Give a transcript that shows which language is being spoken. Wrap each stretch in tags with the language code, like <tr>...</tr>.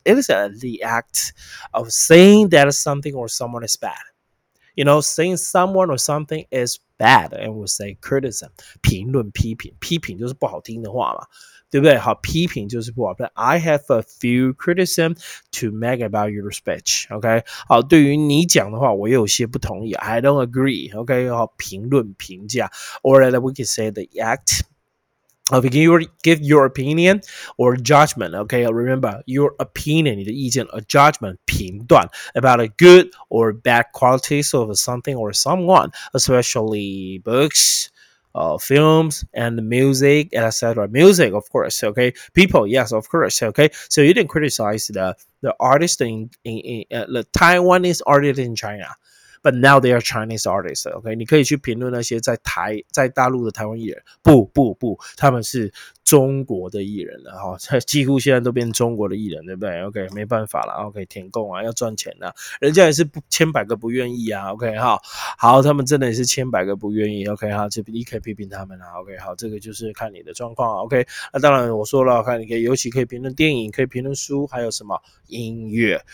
<en>It is the act of saying that something or someone is bad. You know, saying someone or something is bad, and we say criticism.</en> <zh>评论、批评、批评就是不好听的话嘛。对不对？好，批评就是不好。</zh> <en>But I have a few criticism to make about your speech.</en> <zh>OK， 好，对于你讲的话，我有些不同意。</zh> <en>I don't agree. OK，</en> <zh>好，评论评价</zh> <en>，or that we can say the act of give your opinion or judgment. OK， remember your opinion， 你的意见 ，a judgment 评断 about a good or bad qualities of something or someone, especially books. Films and music, etc. Music, of course, okay. People, yes, of course, okay. So you didn't criticize the artist in the Taiwanese artist in China, but now they are Chinese artists, okay.</en> <zh>你可以去评论那些在大陆的台湾艺人，不，他们是中国的艺人了，几乎现在都变中国的艺人，对不对 ？OK， 没办法了 ，OK， 填供啊，要赚钱啊，人家也是千百个不愿意啊 ，OK 哈，好，他们真的也是千百个不愿意 ，OK 哈，这你可以批评他们啊 ，OK， 好，这个就是看你的状况啊 ，OK， 那当然我说了，看你可以，尤其可以评论电影，可以评论书，还有什么音乐？</zh>